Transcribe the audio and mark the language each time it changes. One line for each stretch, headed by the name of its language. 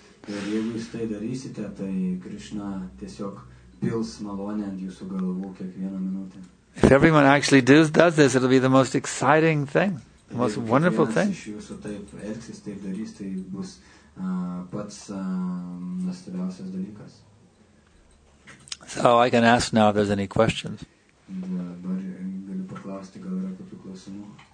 Lithuanian: Ir jeigu jūs tai darysite, tai Krishna tiesiog pils malonę ant jūsų galvų kiekvieną minutę.
English: If everyone actually does this, it'll be the most exciting thing, the most wonderful thing.
Lithuanian: Jeigu kiekvienas iš jūsų taip elgsis, taip darys, tai bus pats nuostabiausias dalykas.
English: So I can ask now if there's any questions.
Lithuanian: Dabar galiu paklausti, gal yra kokių klausimų.